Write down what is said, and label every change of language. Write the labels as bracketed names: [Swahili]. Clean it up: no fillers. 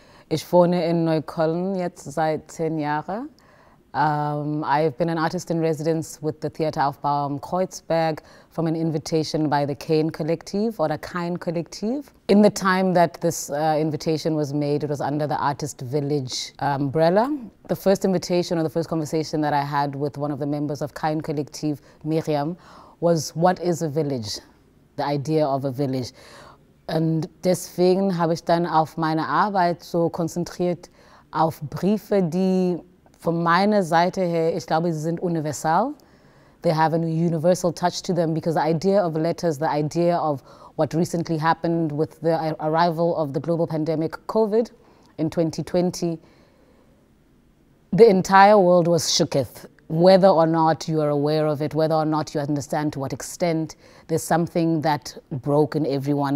[German] Ich wohne in Neukölln jetzt seit 10 Jahren. [English] I've been an artist in residence with the Theater auf Baum Kreuzberg from an invitation by the Kane Collective or the Kane Collective. In the time that this invitation was made, it was under the Artist Village umbrella. The first invitation or the first conversation that I had with one of the members of Kane Collective, Miriam, was what is a village? The idea of a village. [German] And deswegen habe ich dann auf meine Arbeit so konzentriert auf Briefe, die von meiner Seite her, ich glaube, sie sind universal. [English] They have a universal touch to them because the idea of letters, the idea of what recently happened with the arrival of the global pandemic COVID in 2020, the entire world was shooketh. Whether or not you are aware of it, whether or not you understand to what extent, there's something that broke in everyone.